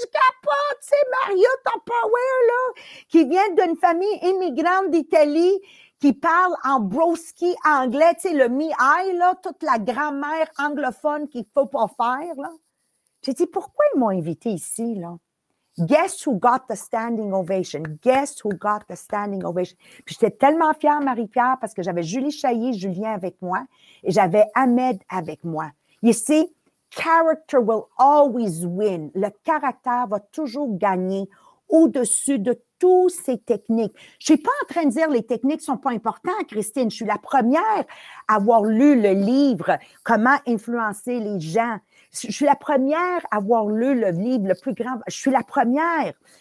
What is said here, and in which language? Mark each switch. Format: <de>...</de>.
<fr>Je capote, c'est Maria Tupperware, là, qui vient d'une famille immigrante d'Italie, qui parle en broski anglais, tu sais, le mi-ai, là, toute la grammaire anglophone qu'il faut pas faire, là. J'ai dit, pourquoi ils m'ont invité ici, là?</fr> <en>Guess who got the standing ovation? Guess who got the standing ovation?</en> <fr>Puis j'étais tellement fière, Marie-Pierre, parce que j'avais Julie Chaillé, Julien avec moi, et j'avais Ahmed avec moi.</fr> <en>You see, character will always win.</en> <fr>Le caractère va toujours gagner au-dessus de toutes ces techniques. Je suis pas en train de dire que les techniques sont pas importantes, Christine. Je suis la première à avoir lu le livre « Comment influencer les gens ». Je suis la première à avoir lu le livre le plus grand. Je suis la première.</fr>